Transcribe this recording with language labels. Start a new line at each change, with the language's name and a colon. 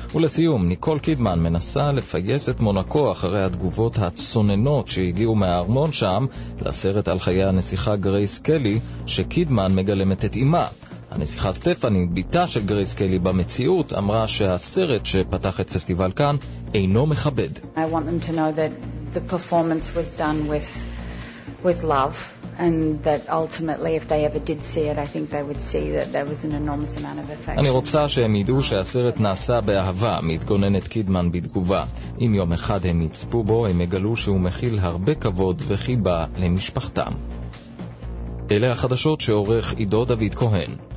Hebrew: ולסיום, ניקול קידמן מנסה לפייס את מונקו אחרי התגובות הצוננות שהגיעו מהארמון שם, לסרט על חיי הנסיכה גרייס קלי, שקידמן מגלמת את אמה. הנסיכה סטפני, ביתה של גרייס קלי במציאות, אמרה שהסרט שפתח את פסטיבל כאן אינו מכבד.
English: I want them to know that the performance was done with love, and that ultimately if they ever did see it, I think they would see that there was an enormous amount of affection.
Hebrew: אני רוצה שהם ידעו שהסרט נעשה באהבה, מתגוננת קידמן בתגובה. אם יום אחד הם יצפו בו, הם יגלו שהוא מכיל הרבה כבוד וחיבה למשפחתם. אלה החדשות שעורך עידו דוד כהן.